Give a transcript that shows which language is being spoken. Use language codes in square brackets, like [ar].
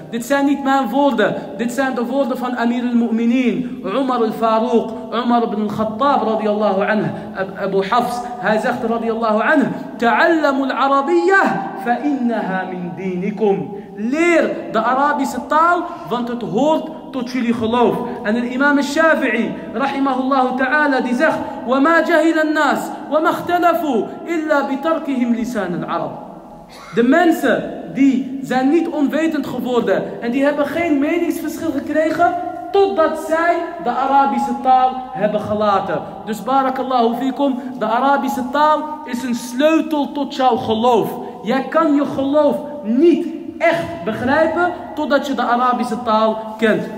[nl] Dit zijn niet mijn woorden, dit zijn de woorden van Amir al-Mu'minin, Umar al-Farouq, Umar ibn al-Khattab radiyallahu anhu, Abu Hafs, hij zegt radiyallahu anhu, [ar] Ta'allamu al-Arabiyyah fa'innaha min dinikum. [nl] Leer de Arabische taal, want het hoort tot jullie geloof. En de imam al-Shafi'i, rahimahullahu ta'ala, die zegt, [ar] وَمَا جَهِلَ النَّاسِ وَمَا اخْتَلَفُوا إِلَّا بِتَرْكِهِمْ لِسَانَ الْعَرَبِ. [nl] De mensen, die zijn niet onwetend geworden, en die hebben geen meningsverschil gekregen, totdat zij de Arabische taal hebben gelaten. Dus barakallahu fikum, de Arabische taal is een sleutel tot jouw geloof. Jij kan je geloof niet echt begrijpen totdat je de Arabische taal kent.